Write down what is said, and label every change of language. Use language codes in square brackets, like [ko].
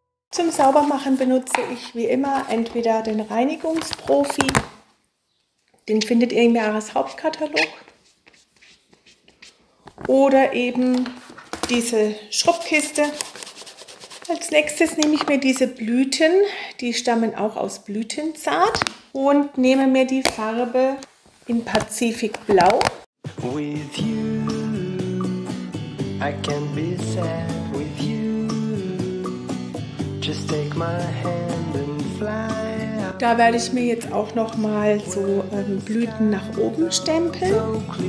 [de] Zum Saubermachen benutze ich wie immer entweder den Reinigungsprofi, den findet ihr im Jahreshauptkatalog, oder eben diese Schrubbkiste. Als nächstes nehme ich mir diese Blüten, die stammen auch aus Blütenzart, und nehme mir die Farbe in Pazifikblau. [en] With you, I can be sad with you. Just take my hand and fly. [de] Da werde ich mir jetzt auch noch mal so Blüten nach oben stempeln.